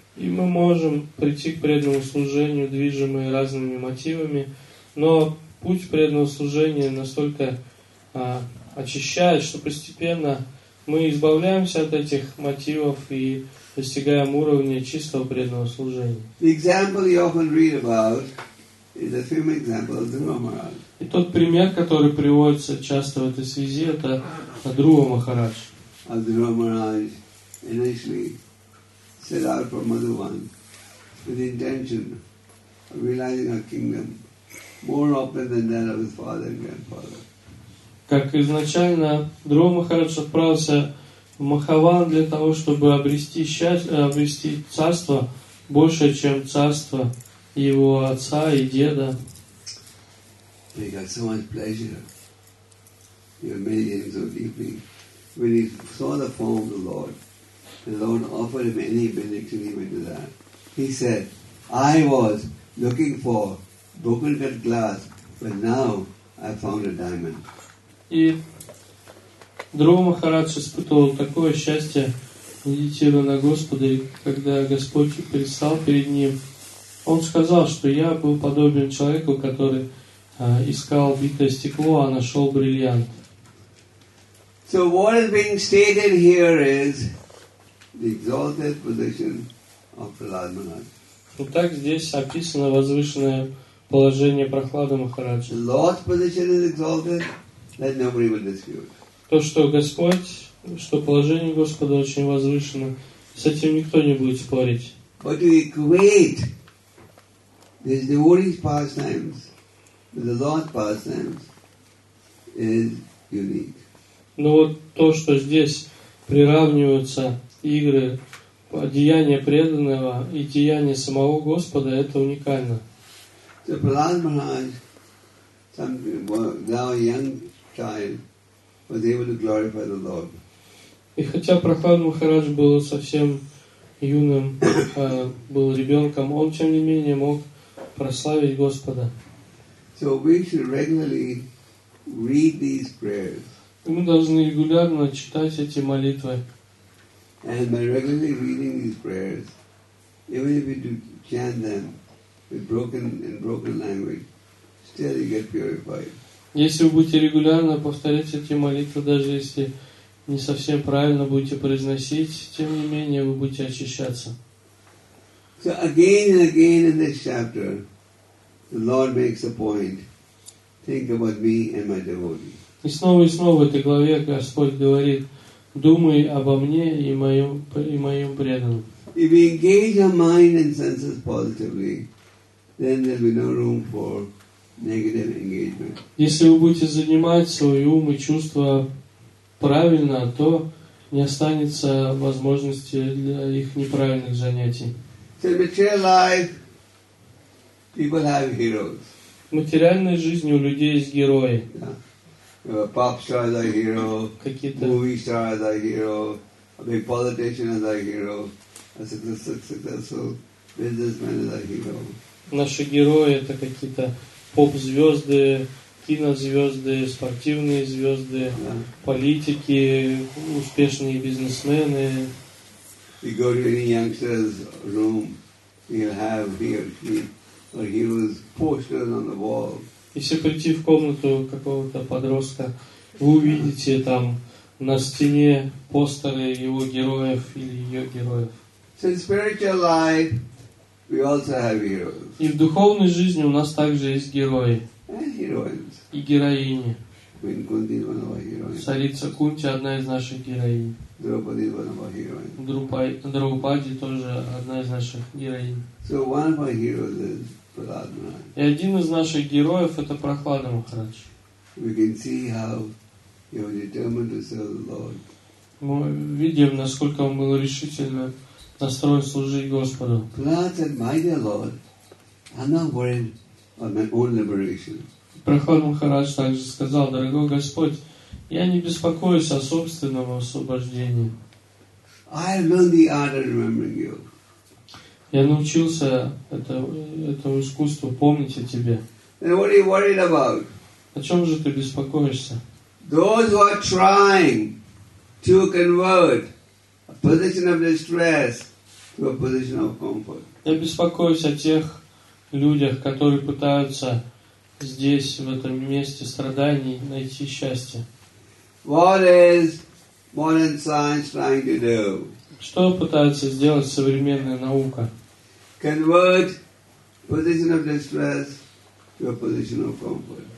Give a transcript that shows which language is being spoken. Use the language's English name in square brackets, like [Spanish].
[Russian] И мы можем прийти к преданному служению, движимые разными мотивами, но путь преданного служения настолько очищает, что постепенно мы избавляемся от этих мотивов и достигаем уровня чистого преданного служения. [English] The example you often read about is a famous example of Dhruva Maharaj. [Russian] И тот пример, который приводится часто в этой связи, это Dhruva Maharaj. [English] Dhruva Maharaj initially set out for Madhuvan with the intention of realizing a kingdom more open than that of his father and grandfather. [Russian] Как изначально Dhruva Maharaj отправился в Махаван для того, чтобы обрести счастье, обрести царство больше, чем царство его отца и деда. [English] He got so much pleasure. Your meditating so deeply. When he saw the form of the Lord offered him any benediction he went to that. He said, I was looking for broken cut glass, but now I found a diamond. [Russian] И Dhruva Maharaj испытывал такое счастье, медитируя на Господа, когда Господь предстал перед ним. Он сказал, что я был подобен человеку, который искал битое стекло, а нашел бриллиант. [English] So what is being stated here is the exalted position of Prahlad Maharaj. [Russian] Вот так здесь описано возвышенное положение Прахлады Махараджа. [English] The Lord's position is exalted, let nobody will dispute. [Russian] То, что Господь, что положение Господа очень возвышено, с этим никто не будет спорить. [English] But to equate this devotee's pastimes with the Lord's pastimes is unique. [Russian] Но вот то, что здесь приравниваются игры, деяния преданного и деяния самого Господа, это уникально. [English] So Prahlad Maharaj, now a young child, was able to glorify the Lord. [Russian] И хотя Прахлад Махарадж был совсем юным, был ребенком, он тем не менее мог прославить Господа. [English] So we should regularly read these prayers. [Russian] Мы должны регулярно читать эти молитвы. [English] And by regularly reading these prayers, even if we do chant them with broken language, [Russian] Если вы будете регулярно повторять эти молитвы, даже если не совсем правильно будете произносить, тем не менее вы будете очищаться. [English] So again and again in this chapter, the Lord makes a point. Think about me and my devotee. [Russian] И снова и снова в этой главе Господь говорит: думай обо мне и моем преданном. [English] If we engage our mind and senses positively, then there will be no room for negative engagement. [Russian] Если вы будете занимать свой ум и чувства правильно, то не останется возможности для их неправильных занятий. [English] So in material life, people have heroes. [Russian] В материальной жизни у людей есть герои. [English] Yeah. Pop star as a hero, [Russian] какие-то [English] movie star as a hero, a big politician as a hero, a successful businessman as a hero. [Russian] Наши герои это какие-то поп-звезды, кинозвезды, спортивные звезды, yeah. Политики, успешные бизнесмены. [English] You go to any youngster's room, he'll have he or she or hero's posters on the wall. [Russian] Если прийти в комнату какого-то подростка, вы увидите там на стене постеры его героев или ее героев. [English] So in spiritual life, we also have heroes. [Russian] И в духовной жизни у нас также есть герои. [English] And heroines. [Russian] И героини. [English] Queen Kunti, one of our heroines. [Russian] Царица Кунти одна из наших героинь. [English] Draupadi, one of our heroines. [Russian] Драупади тоже одна из наших героинь. [English] So one of our heroes is Prahlad. [Russian] И один из наших героев – это Прахлада Махарадж. [English] We can see how he was determined to serve the Lord. [Russian] Мы видим, насколько он был решительно настроен служить Господу. [English] Prahlad said, "My dear Lord, I'm not worried about my own liberation." [Russian] Прахлад Махарадж также сказал: "Дорогой Господь, я не беспокоюсь о собственном освобождении." [English] I learned the art of remembering you. [Russian] Я научился этому искусству помнить о тебе. [English] And what are you worried about? [Russian] О чем же ты беспокоишься? [English] Those who are trying to convert a position of distress to a position of comfort. [Russian] Я беспокоюсь о тех людях, которые пытаются здесь, в этом месте страданий, найти счастье. [English] What is modern science trying to do? [Russian] Что пытается сделать современная наука? [English] Convert position of distress to a position of comfort.